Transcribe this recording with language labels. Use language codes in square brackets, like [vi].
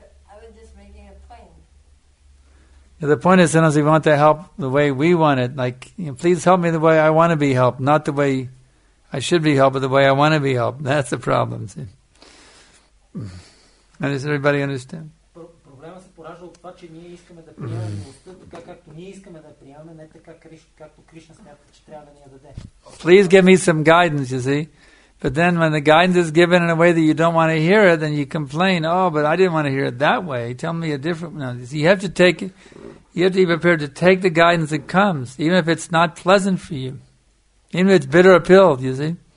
[en] I was just making a point. Yeah, the point is, sometimes we want to help the way we want it. Like, you know, please help me the way I want to be helped, not the way I should be helped, but the way I want to be helped. That's the problem. See? And does everybody understand? [bg] Проблема се поражда от това, че ние искаме да приемем милостта така, както ние искаме да приемем, не така, както Кришна смята, че трябва да ни я даде. [en] Please give me some guidance, you see. But then when the guidance is given in a way that you don't want to hear it, then you complain, oh, but I didn't want to hear it that way. Tell me a different one. You see, you have to take it, you have to be prepared to take the guidance that comes, even if it's not pleasant for you. Even if it's bitter pill, you see.